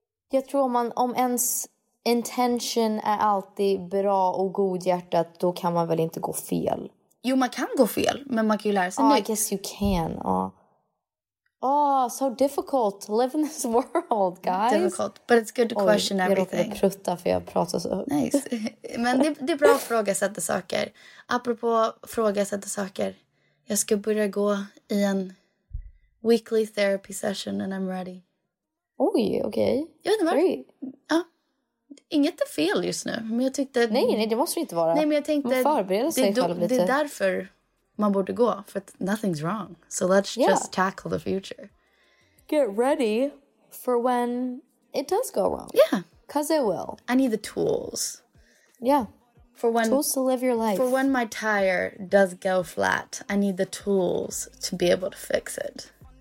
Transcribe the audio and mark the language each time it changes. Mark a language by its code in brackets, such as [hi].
[sv] Jag tror om ens intention är alltid bra och godhjärtat, då kan man väl inte gå fel. Jo, man kan gå fel, men man kan ju lära sig [en] I guess you can. So difficult to live in this world, guys. Difficult, but it's good to question everything. [sv] Jag råkade prutta för jag pratar så högt. [en] Nice. [sv] Men det är bra att frågasätta saker. Apropå frågasätta saker, jag ska börja gå i en [en] weekly therapy session and I'm ready. [sv] Oj, okej. Jag vet inte varför. Ja. Inget är fel just nu, men jag tyckte... Nej, det måste inte vara. Nej, men jag tänkte... Man förbereder sig själv lite. Det är därför man borde gå, för att [en] nothing's wrong. So let's just tackle the future. Get ready for when it does go wrong. Yeah. Because it will. I need the tools. Yeah. For when, tools to live your life. For when my tire does go flat, I need the tools to be able to fix it.